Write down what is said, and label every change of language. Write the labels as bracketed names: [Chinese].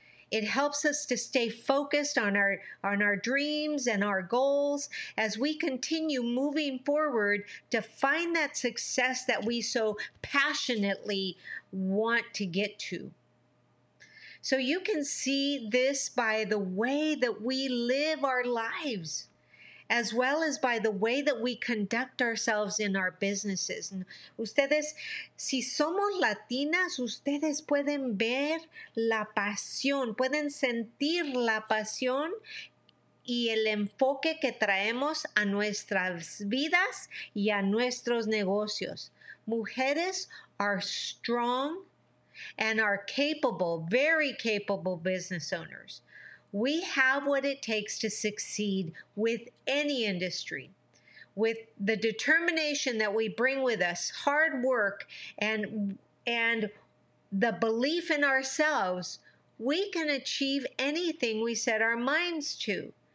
[English] It helps us to stay focused on our dreams and our goals as we continue moving forward to find that success that we so passionately want to get to. So you can see this by the way that we live our lives, as well as by the way that we conduct ourselves in our businesses. [Spanish] Ustedes, si somos latinas, ustedes pueden ver la pasión, pueden sentir la pasión y el enfoque que traemos a nuestras vidas y a nuestros negocios. [English] Mujeres are strong and are capable, very capable business owners. We have what it takes to succeed with any industry. With the determination that we bring with us, hard work, and the belief in ourselves, we can achieve anything we set our minds to.